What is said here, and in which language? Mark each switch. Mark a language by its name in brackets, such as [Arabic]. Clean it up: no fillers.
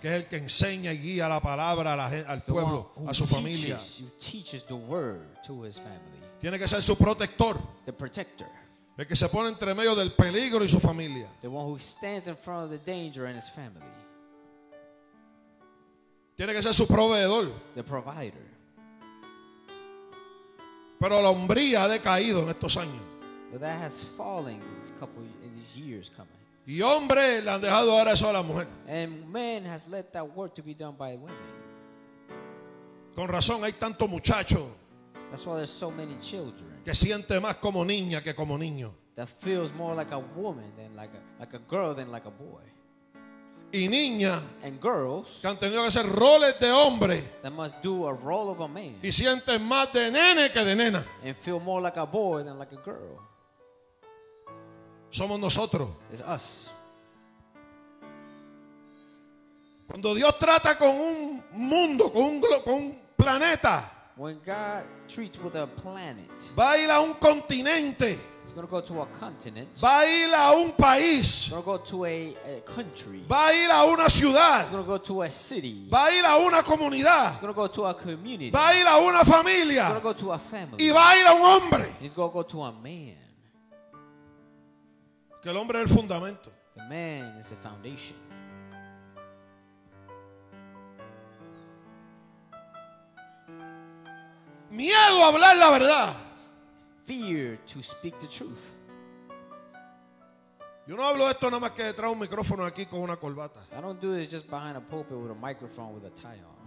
[Spanish] Que es el que enseña y guía la palabra a la gente, al pueblo, a su familia. [English] Who teaches the word to his family. [Spanish] Tiene que ser su protector. [English] The protector. [Spanish] El que se pone entre medio del peligro y su familia. [English] The one who stands in front of the danger and his family. [Spanish] Tiene que ser su proveedor. [English] The provider. [Spanish] Pero la hombría ha decaído en estos años. [English] But that has fallen in these years coming. [Spanish] Y hombre, le han dejado ahora eso a la mujer. [English] And man has let that work to be done by women. [Spanish] Con razón hay tanto muchacho. [English] That's why there's so many children. [Spanish] Que siente más como niña que como niño. [English] That feels more like a woman than like a girl than like a boy. [Spanish] Y niña. [English] And girls. [Spanish] Que han tenido que hacer roles de hombre. [English] That must do a role of a man. [Spanish] Y siente más de nene que de nena. [English] And feel more like a boy than like a girl. [Spanish] Somos nosotros. [English] It's us. [Spanish] Cuando Dios trata con un mundo, con un planeta. [English] When God treats with a planet. [Spanish] Va a ir a un continente. [English] He's going to go to a continent. [Spanish] Va a ir a un país. [English] He's going to go to a country. [Spanish] Va a ir a una ciudad. [English] He's going to go to a city. [Spanish] Va a ir a una comunidad. [English] He's going to go to a community. [Spanish] Va a ir a una familia. [English] He's going to go to a family. [Spanish] Y va a ir a un hombre. [English] He's going to go to a man. [Spanish] Que el hombre es el fundamento. [English] The man is the foundation. [Spanish] Miedo a hablar la verdad. [English] Fear to speak the truth. [Spanish] Yo no hablo esto nada más que detrás de un micrófono aquí con una corbata. [English] I don't do this just behind a pulpit with a microphone with a tie on.